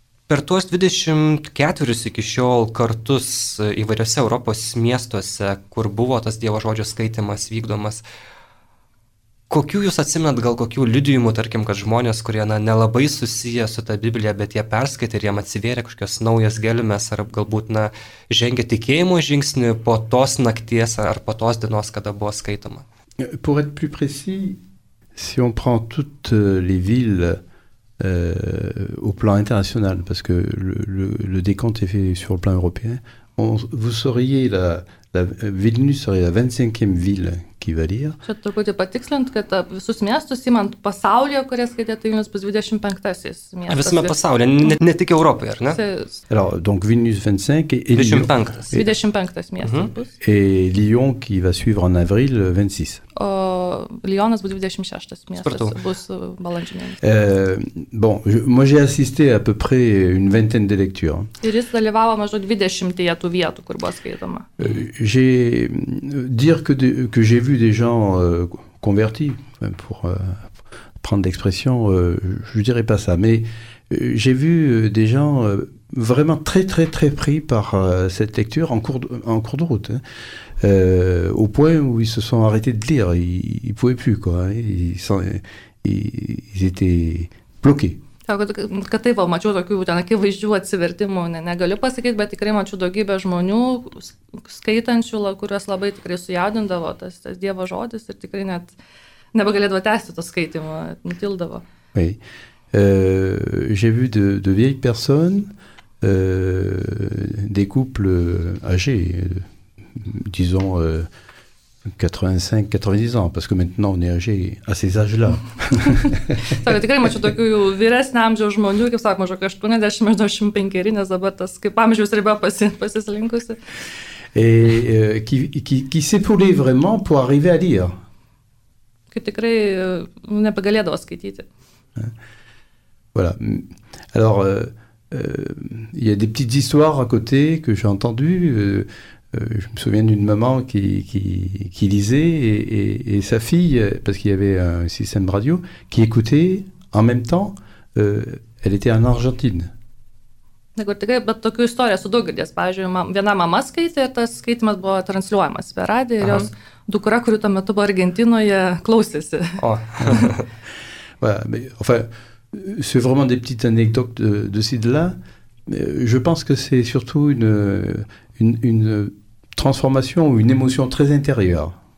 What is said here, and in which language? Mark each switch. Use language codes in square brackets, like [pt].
[lt] Per tuos 24 iki šiol kartus įvairiose Europos miestuose, kur buvo tas Dievo žodžio skaitimas vykdomas, kokių jūs atsimenat, gal kokių liudijimų, tarkim, kad žmonės, kurie nelabai susiję su ta Biblija, bet jie perskaitė ir jiem atsivėrė kažkios naujas gelmes, ar galbūt žengė tikėjimo žingsnį po tos nakties ar po tos dienos, kada buvo skaitoma? [fr] Pour être plus précis, si on prend toutes les villes au plan international, parce que le décompte est fait sur le plan européen, vous seriez la Vilnius serait la 25e ville qui va lire. [lt] Čia truputį patikslint, kad visus miestus įmant pasaulyje, kurie skaitė, tai Vilnius bus 25-asis miestas. Visame pasaulyje, ne tik Europoje, ar ne? [fr] Alors, donc Vilnius 25 et [lt] 25-as miestas bus. [fr] Et Lyon qui va suivre en avril 26. [lt] O Lyonas bus 26-as miestas, bus balandžio mėnesį. [fr] Bon, moi j'ai assisté à peu près une vingtaine de lectures. [lt] Ir jis dalyvavo maždaug 20-tyje tų vietų, kur buvo skaitoma. [fr] J'ai dire que j'ai vu des gens convertis, pour prendre l'expression, je dirais pas ça, mais j'ai vu des gens vraiment très très très pris par cette lecture en cours de route, hein, au point où ils se sont arrêtés de lire, ils pouvaient plus quoi, ils étaient bloqués. [lt] Kad taip, va, mačiau tokių ten akivaizdžių atsivertimų, negaliu pasakyti, bet tikrai mačiau daugybę žmonių skaitančių, kurios labai tikrai sujaudindavo tas Dievo žodis ir tikrai net nebegalėdavo tęsti to skaitimo, nutildavo. [fr] Oui. J'ai vu de vieilles personnes, des couples âgés, disons 85-90 ans, parce que maintenant on est âgé à ces âges-là. [lt] Tikrai mačiau tokių vyresnio amžiaus žmonių, kaip sako, mažok 80-85, nes dabar tas kaip amžiaus riba pasislinkusi. [fr] Et qui s'épaulait vraiment pour arriver à lire. [lt] Kai tikrai nepagalėdavo skaityti. [fr] Voilà. Alors, il y a des petites histoires à côté que j'ai entendues. Je me souviens d'une maman qui lisait et sa fille, parce qu'il y avait un système radio, qui écoutait en même temps elle était en Argentine. [lt] Kur tikrai, bet tokių istorijų esu daug girdės. Pavyzdžiui, viena mama skaitė ir tas skaitimas buvo transliuojamas per radiją ir jos dukra, kuri tuo metu buvo Argentinoje, klausėsi. O. [fr] Voilà, mais, enfin, c'est vraiment des petites anecdotes de ci, de là. Je pense que c'est surtout une transformation ou une émotion très intérieure.